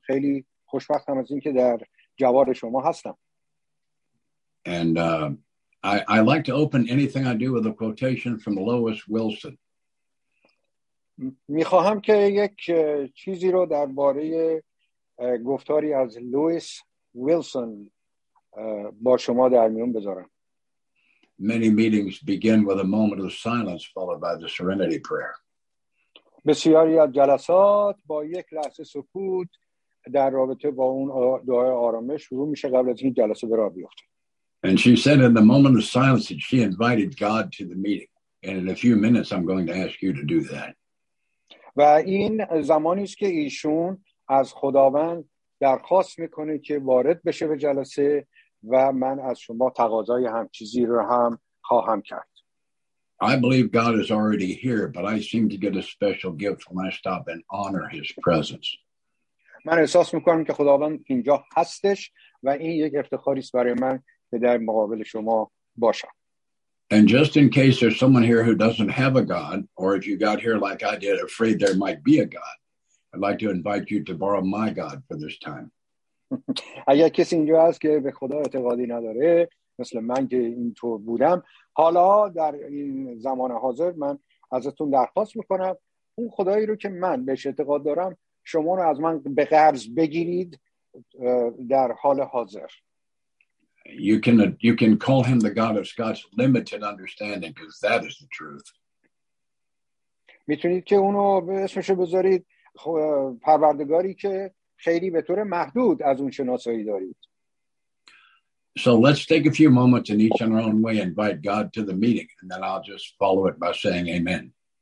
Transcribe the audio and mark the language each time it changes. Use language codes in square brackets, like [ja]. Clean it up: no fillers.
[fa] خیلی خوشبختم از اینکه در جوار شما هستم. [en] And I like to open anything I do with a quotation from Lois Wilson. [fa] میخواهم که یک چیزی رو درباره گفتاری از لوئیس ویلسون با شما در میون بذارم. [en] Many meetings begin with a moment of silence followed by the serenity prayer. [fa] بسیاری از جلسات با یک لحظه سکوت در رابطه با اون دعای آرامش شروع میشه قبل از این جلسه به راه بیفته. [en] And she said in the moment of silence that she invited God to the meeting. And in a few minutes, I'm going to ask you to do that. [fa] و این زمانی است که ایشون از خداوند درخواست میکنه که وارد بشه به جلسه و من از شما تقاضای هم چیزی رو هم خواهم کرد. [en] I believe God is already here, but I seem to get a special gift when I stop and honor his presence. [fa] من احساس میکنم که خداوند اینجا هستش و این یک افتخاری است برای من. در مقابل شما باشم. [en] And just in case there's someone here who doesn't have a God, or if you got here like I did, afraid there might be a God, I'd like to invite you to borrow my God for this time. [fa] اگر کسی اینجا هست که به خدا اعتقادی نداره، مثل من که اینطور بودم، حالا در این زمان حاضر من ازتون درخواست میکنم اون خدایی رو که من بهش اعتقاد دارم شما رو از من به قرض بگیرید در حال حاضر. [en] You can call him the God of Scott's limited understanding because that is the truth. [fa] میتونید که اونو به اسمش بذارید پروردگاری که خیلی به طور محدود از اون شناسایی دارید. [en] So let's take a few moments and each in our own way invite God to the meeting and then I'll just follow it by saying amen.